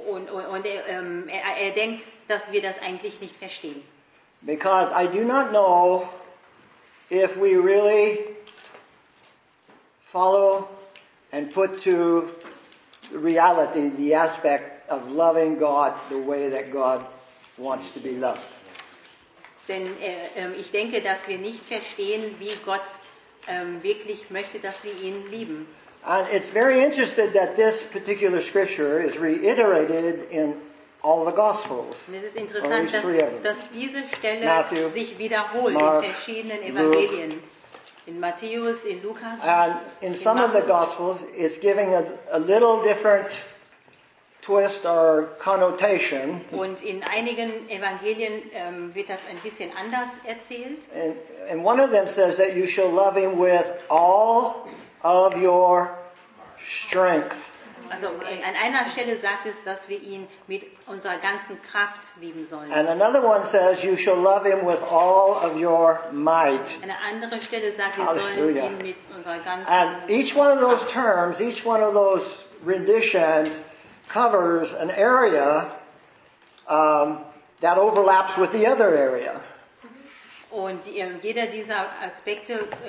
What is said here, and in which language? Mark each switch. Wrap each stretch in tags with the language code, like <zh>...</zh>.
<de>Und er denkt, dass wir das eigentlich nicht verstehen.</de> <en>Because I do not know if we really follow and put to reality the aspect of loving God the way that God wants to be loved.</en> <de>Denn ich denke, dass wir nicht verstehen, wie Gott wirklich möchte, dass wir ihn lieben.</de> <en>And it's very interesting that this particular scripture is reiterated in all the Gospels.</en> <de>Es ist interessant, dass diese Stelle sich wiederholt in verschiedenen Evangelien. In Matthäus, in Lukas.</de> <en>And in some of the Gospels, it's giving a little different twist or connotation.</en> <de>Und in einigen Evangelien wird das ein bisschen anders erzählt.</de> <en>And one of them says that you shall love him with all of your strength.</en> <de>Also an einer Stelle sagt es, dass wir ihn mit unserer ganzen Kraft lieben sollen.</de> <en>And another one says you shall love him with all of your might.</en> <de>Eine andere Stelle sagt, wir sollen ihn mit unserer ganzen Kraft.</de> <en>And each one of those terms, each one of those renditions covers an area that overlaps with the other area.</en> <de>Und jeder dieser Aspekte</de>